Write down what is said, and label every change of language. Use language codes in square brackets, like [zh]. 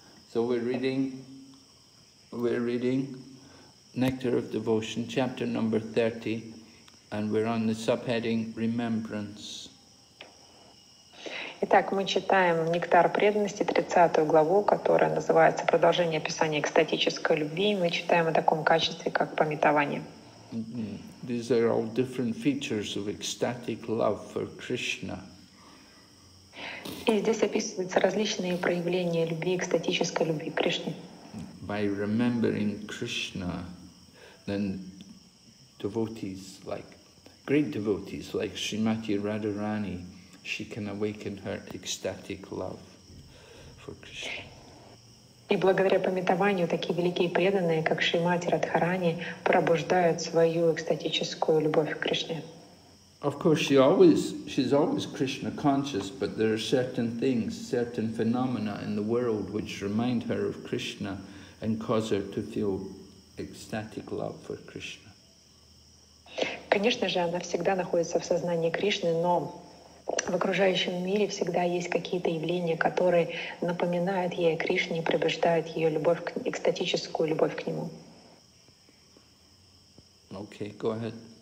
[en] So we're reading Nectar of Devotion, chapter number 30, and we're on the subheading Remembrance. [ru] Итак, мы читаем «Нектар преданности», 30 главу, которая называется «Продолжение описания экстатической любви». Мы читаем о таком качестве, как памятование. [en] These are all different features of ecstatic love for Krishna. [ru] И здесь описываются различные проявления любви, экстатической любви к Кришне. [en] By remembering Krishna, then devotees, like great devotees, like Srimati Radharani, she can awaken her ecstatic love for Krishna. [ru] И благодаря памятованию такие великие преданные, как Шримати Радхарани, пробуждают свою экстатическую любовь к Кришне. [en] Of course, she's always Krishna conscious, but there are certain things, certain phenomena in the world which remind her of Krishna and cause her to feel ecstatic love for Krishna. [ru] Конечно же, она всегда находится в сознании Кришны, но в окружающем мире всегда есть какие-то явления, которые напоминают ей о Кришне и пробуждают ее любовь, экстатическую любовь к Нему. [en] Okay, go ahead.